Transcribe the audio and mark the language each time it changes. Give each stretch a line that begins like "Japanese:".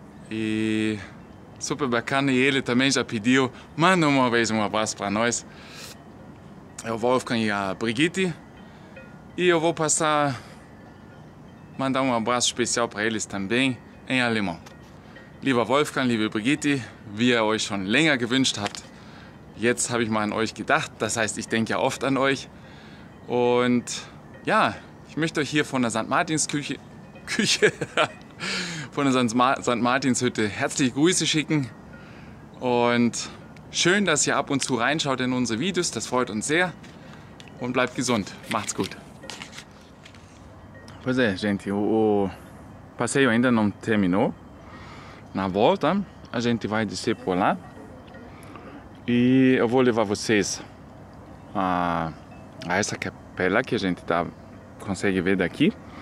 Portuguese: E super bacana, e ele também já pediu, manda uma vez um abraço para nós. É o Wolfgang e a Brigitte. E eu vou passar, mandar um abraço especial para eles também em alemão.
German: Lieber Wolfgang, liebe Brigitte, wie ihr euch schon länger gewünscht habt, jetzt habe ich mal an euch gedacht, das heißt, ich denke ja oft an euch. Und ja, ich möchte euch hier von der St. Martins Küche von der St. Martins Hütte herzliche Grüße schicken. Und schön, dass ihr ab und zu reinschaut in unsere Videos. Das freut uns sehr. Und bleibt gesund. Macht's gut.
Portuguese: Pois é, gente, o passeio ainda não terminou. Na volta, a gente vai descer por lá. E eu vou levar vocês a essa capela que a gente tá, consegue ver daqui.